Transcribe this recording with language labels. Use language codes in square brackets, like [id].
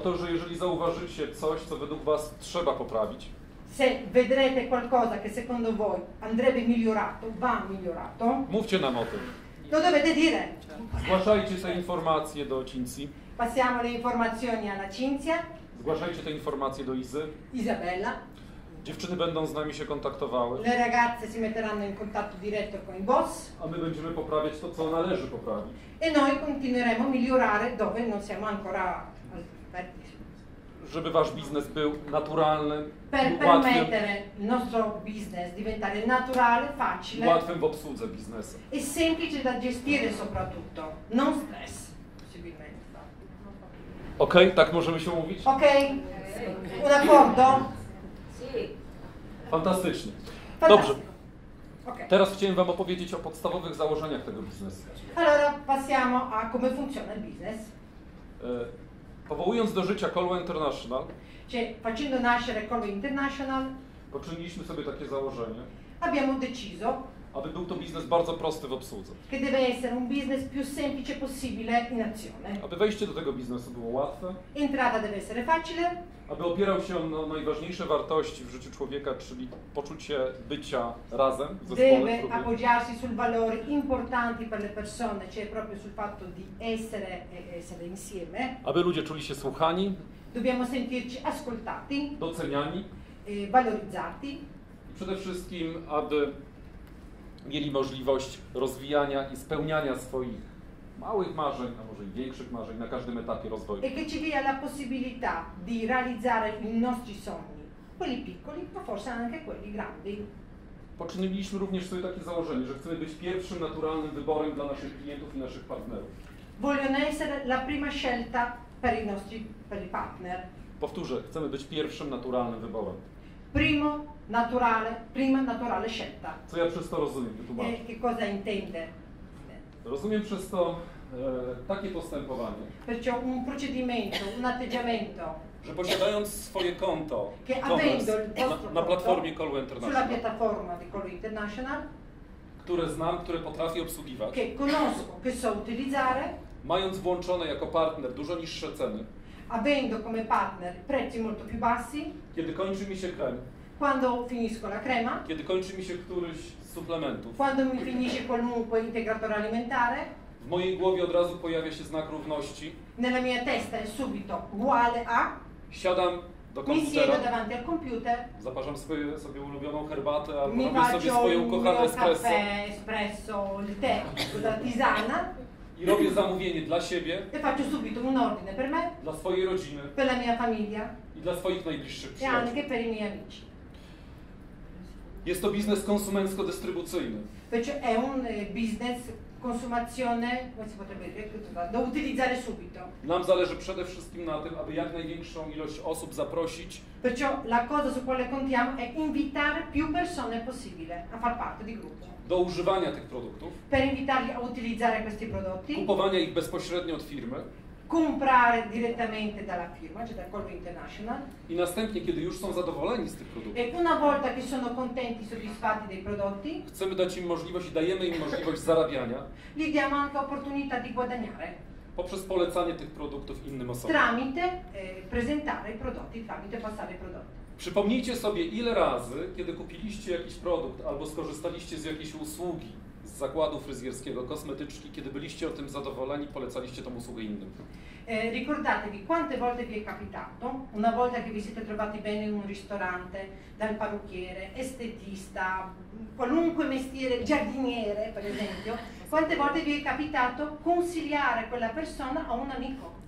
[pl] to, że jeżeli zauważycie coś, co według was trzeba poprawić, [it] se vedrete qualcosa che secondo voi andrebbe migliorato, va migliorato, [pl] mówcie nam o tym. [it] Lo dovete dire. [pl] Zgłaszajcie te informacje do Cinzii. [it] Passiamo le informazioni alla Cinzia. [pl] Zgłaszajcie te informacje do Izy. Izabella. Dziewczyny będą z nami się kontaktowały. [it] Le ragazze si metteranno in contatto diretto con il boss. [pl] A my będziemy poprawiać to, co należy poprawić. [it] E noi continueremo a migliorare dove non siamo ancora al vertice. [pl] Żeby wasz biznes był naturalny, [it] per permettere il nostro business diventare naturale, facile. [pl] Łatwym w obsłudze biznesu. [it] E semplice da gestire soprattutto, non stress, possibilmente. [pl] Ok, tak możemy się umówić? [it] Ok, un accordo? [pl] Fantastycznie. Dobrze. Okay. Teraz chciałem wam opowiedzieć o podstawowych założeniach tego biznesu. [it] Allora, passiamo a come funziona il business. [pl] Powołując do życia Colo International, [it] cioè, facendo nascere Colo International, [pl] poczyniliśmy sobie takie założenie, [it] abbiamo deciso, [pl] aby był to biznes bardzo prosty w obsłudze. [it] Che deve essere un business più semplice possibile in azione. [pl] Aby wejście do tego biznesu było łatwe. [it] Entrata deve essere facile. [pl] Aby opierał się na najważniejsze wartości w życiu człowieka, czyli poczucie bycia razem w zespole. [it] Deve appoggiarsi sul valori importanti per le persone, cioè proprio sul fatto di essere insieme. [pl] Aby ludzie czuli się słuchani. [it] Dobbiamo sentirci ascoltati. [pl] Doceniani. [it] Valorizzati. [pl] I przede wszystkim, aby mieli możliwość rozwijania i spełniania swoich małych marzeń, a może i większych marzeń na każdym etapie rozwoju. [it] E che ci dia la possibilità di realizzare i nostri sogni, quelli piccoli, ma forse anche quelli grandi. [pl] Poczyniliśmy również sobie takie założenie, że chcemy być pierwszym naturalnym wyborem dla naszych klientów i naszych partnerów. [it] Vogliono essere la prima scelta per i nostri per i partner. [pl] Powtórzę, chcemy być pierwszym naturalnym wyborem. [it] Primo naturale, prima naturale scelta. [pl] Co ja przez to rozumiem, wytłumaczę. [it] Che cosa intende? [pl] Rozumiem przez to takie postępowanie. [it] Perciò un procedimento, un atteggiamento. [pl] Że posiadając swoje konto, [it] che avendo il vostro [pl] na platformie Colo International, [it] sulla piattaforma di Colo International, [pl] które znam, które potrafię obsługiwać, [it] che conosco, che so utilizzare, [pl] mając włączone jako partner dużo niższe ceny. [it] Avendo come partner prezzi molto più bassi. [pl] Kiedy kończy mi się krem? [it] Quando finisco la crema? [pl] Kiedy kończy mi się któryś z suplementów? [it] Quando mi finisce qualunque integratore alimentare? [pl] W mojej głowie od razu pojawia się znak równości. [it] Nella mia testa è subito uguale a. [pl] Siadam do komputera. [it] Mi siedzę davanti al komputer. [pl] Zaparzam sobie ulubioną herbatę, albo robię sobie swoją ukochaną espresso. [it] Caffè, espresso, il tè, la tisana. [pl] I robię zamówienie dla siebie. [it] E faccio subito un ordine per me. [pl] Dla swojej rodziny. [it] Per la mia famiglia. [pl] I dla swoich najbliższych przyjaciół. [it] E anche per i miei amici. [pl] Jest to biznes konsumencko-dystrybucyjny. [it] Perciò è un business consumazione, come si potrebbe dire, da utilizzare subito. [pl] Nam zależy przede wszystkim na tym, aby jak największą ilość osób zaprosić. [it] Perciò la cosa su quale contiamo è invitare più persone possibile a far parte di gruppo. [pl] Do używania tych produktów. [it] Per invitarli a utilizzare questi prodotti. [pl] Kupowania ich bezpośrednio od firmy. [it] Comprare direttamente dalla firma, cioè da Colo International. [pl] I następnie, kiedy już są zadowoleni z tych produktów. [it] E una volta che sono contenti, soddisfatti dei prodotti. [pl] Chcemy dać im możliwość i dajemy im możliwość zarabiania. [it] Gli diamo anche opportunità di guadagnare. [pl] Poprzez polecanie tych produktów innym osobom. [it] Tramite presentare i prodotti, tramite passare i prodotti. [pl] Przypomnijcie sobie, ile razy, kiedy kupiliście jakiś produkt albo skorzystaliście z jakiejś usługi z zakładu fryzjerskiego, kosmetyczki, kiedy byliście o tym zadowoleni, polecaliście tą usługę innym. [it] Ricordatevi, quante volte vi è capitato, una volta che vi siete trovati bene in un ristorante, dal parrucchiere, estetista, qualunque mestiere, giardiniere, per esempio, quante volte vi è capitato consigliare quella persona a un amico?